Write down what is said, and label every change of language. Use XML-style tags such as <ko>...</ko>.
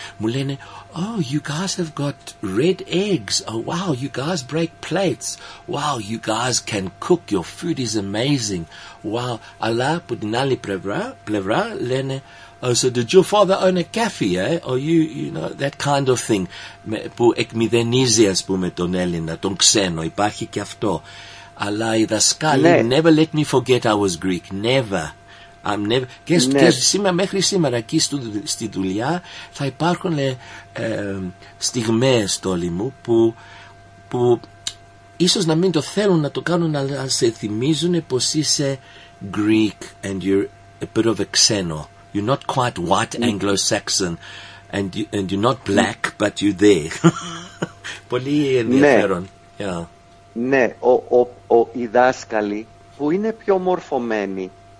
<el>Μου λένε,</el> <en>oh, you guys have got red eggs, oh wow, you guys break plates, wow, you guys can cook, your food is amazing, wow.</en> <el>Αλλά από την άλλη πλευρά λένε,</el> <en>oh, so did your father own a cafe, eh? Or you know, that kind of thing,</en> <el>που εκμυδενίζει, ας πούμε, τον Έλληνα, τον ξένο, υπάρχει και αυτό. Αλλά οι δασκάλοι</el> <en>never let me forget I was Greek. Never. I'm never.</en> <el>Και σήμερα, μέχρι σήμερα εκεί στη δουλειά θα υπάρχουν στιγμές, τόλοι μου, που ίσως να μην το θέλουν να το κάνουν, αλλά σε θυμίζουν πως είσαι</el> <en>Greek and you're a bit of a</en> <el>ξένο.</el> <en>You're not quite white Anglo-Saxon and you're not black, but you're there.</en> <el>Πολύ ενδιαφέρον. Ναι, οι δάσκαλοι που είναι πιο μορφωμένοι.</el>